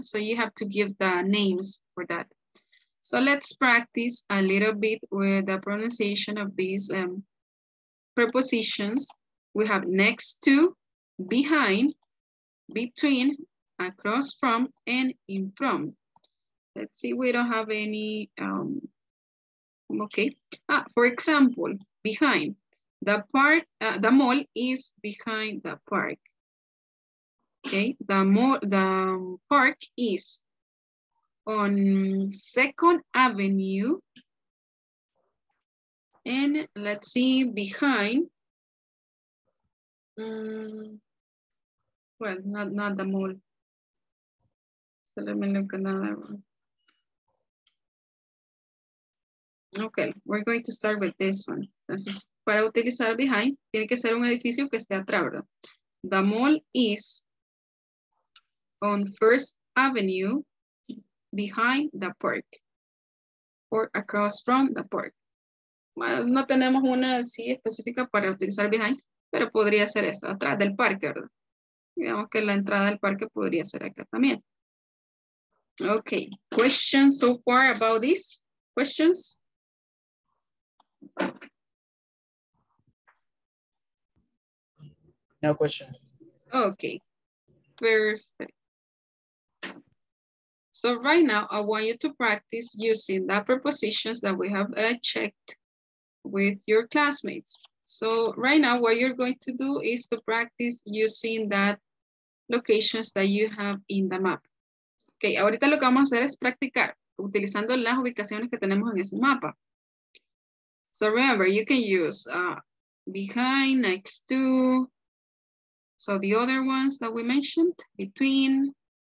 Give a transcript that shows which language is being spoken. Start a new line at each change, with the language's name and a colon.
English: So you have to give the names for that. So let's practice a little bit with the pronunciation of these prepositions. We have next to, behind, between, across from, and in from. Let's see, we don't have any, okay. Ah, for example, behind. The park, the mall is behind the park. Okay, the park is on Second Avenue. And let's see, behind. Well, not the mall. So let me look another one. Okay, we're going to start with this one.
Spanish: Entonces, para utilizar behind, tiene que ser un edificio que esté atrás, ¿verdad?
English: The mall is on First Avenue behind the park or across from the park.
Spanish: Bueno, no tenemos una así específica para utilizar behind, pero podría ser esa, atrás del parque, ¿verdad? Digamos que la entrada del parque podría ser acá también.
English: Okay, questions so far about this? Questions? No question. Okay, perfect. So right now I want you to practice using the prepositions that we have checked with your classmates. So right now what you're going to do is to practice using that locations that you have in the map.
Spanish: Okay, ahorita lo que vamos a hacer es practicar utilizando las ubicaciones que tenemos en ese mapa.
English: So remember, you can use behind, next to, so the other ones that we mentioned, between,